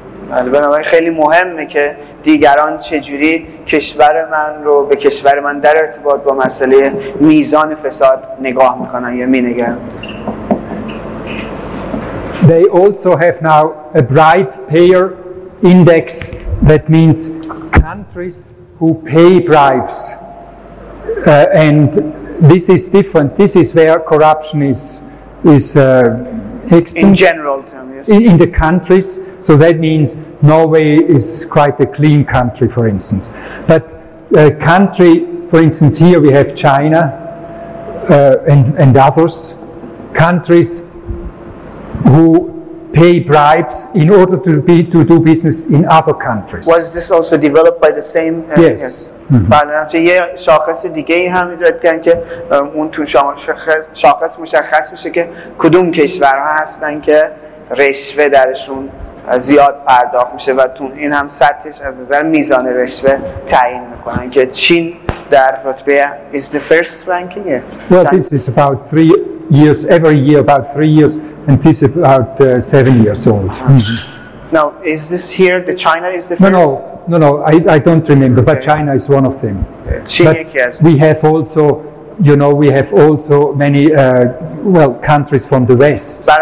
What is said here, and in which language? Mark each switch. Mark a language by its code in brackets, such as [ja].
[fa] بنابراین خیلی مهمه که دیگران چجوری کشور من رو به کشور من در ارتباط با مسئله میزان فساد نگاه میکنن یا مینگرن. [en] They also have now a bribe payer index, that means countries who pay bribes, and this is different. This is where corruption is extinct. In general term, yes. In the countries, so that means Norway is quite a clean country, for instance. But a country, for instance, here we have China and others, countries who pay bribes in order to do business in other countries. Was this also developed by the same? Yes. [fa] بنابراین یه شاخص دیگه ای هم ایجاد کردن که اون تو شاخص مشخص میشه که کدوم کشورها هستن که رشوه درشون زیاد پرداخت میشه و تو این هم سطحش از نظر میزان رشوه تعیین میکنن که چین در رتبه [en] is the first ranking. Well, this is about 3 years, every year about 3 years, and this is about 7 years old. Mm-hmm. Now, is this here, the China is the first? No, I don't remember, okay. But China is one of them. But we have also, you know, we have also many countries from the West.